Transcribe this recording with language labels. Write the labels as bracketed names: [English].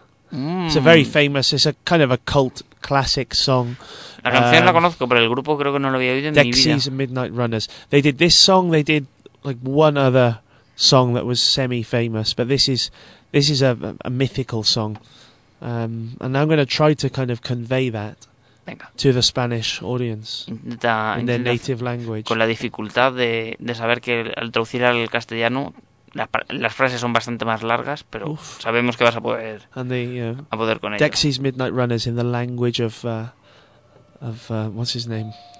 [English] It's a very famous, it's a kind of a cult classic song. [Spanish] La canción la conozco, pero el grupo creo que no lo había oído en mi vida. [English] Dexys Midnight Runners. They did this song, they did like one other song that was semi-famous, but this is a mythical song. And I'm going to try to kind of convey that. [Spanish] Venga. [English] To the Spanish audience in their native language. [Spanish] Con la dificultad de saber que al traducir al castellano las frases son bastante más largas, pero sabemos que vas a poder a poder con ello. [English] Dexys Midnight Runners in the language of what's his name?